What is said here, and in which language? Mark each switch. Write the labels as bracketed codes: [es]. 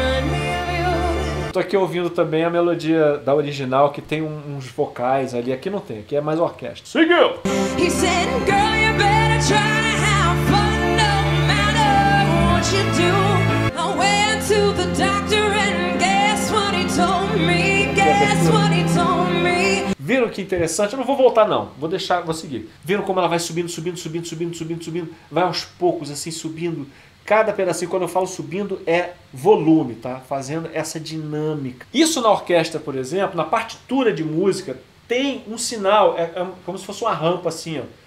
[pt] Bonito. Tô aqui ouvindo também a melodia da original, que tem uns vocais ali. Aqui não tem, aqui é mais orquestra. Seguiu! [en] He said, girl, you better try to have fun, no matter what you do. I went to the doctor and guess what he told me, guess what he told me. [pt] Viram que interessante? Eu não vou voltar, não. Vou deixar, vou seguir. Viram como ela vai subindo, subindo, subindo, subindo, subindo, subindo? Vai aos poucos, assim, subindo. Cada pedacinho, quando eu falo subindo, é volume, tá? Fazendo essa dinâmica. Isso na orquestra, por exemplo, na partitura de música, tem um sinal, é como se fosse uma rampa, assim, ó.